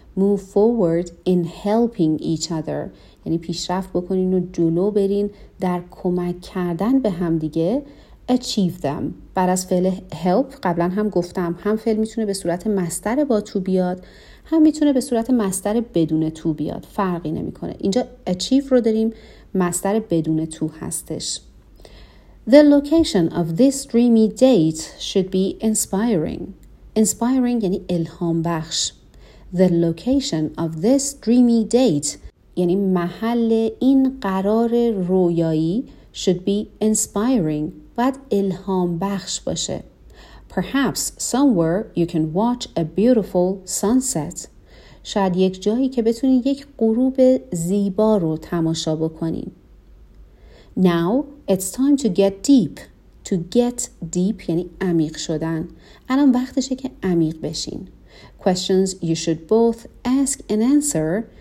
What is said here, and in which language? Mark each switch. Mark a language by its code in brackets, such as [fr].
[en] Move forward in helping each other [fa] یعنی پیشرفت بکنین و جلو برین در کمک کردن به همدیگه. [en] Achieve them. [fa] بعد از فعل help قبلا هم گفتم هم فعل میتونه به صورت مصدر با تو بیاد، هم میتونه به صورت مصدر بدون تو بیاد. فرقی نمیکنه. اینجا achieve رو داریم، مصدر بدون تو هستش. [en] The location of this dreamy date should be inspiring. Inspiring [fa] یعنی الهام بخش. [en] The location of this dreamy date [fa] یعنی محل این قرار رویایی [en] should be inspiring. [fa] باید الهام بخش باشه. [en] Perhaps somewhere you can watch a beautiful sunset. [fa] شاید یک جایی که بتونین یک غروب زیبا رو تماشا بکنین. [en] Now it's time to get deep. To get deep [fa] یعنی عمیق شدن. الان وقتشه که عمیق بشین. [en] Questions you should both ask and answer.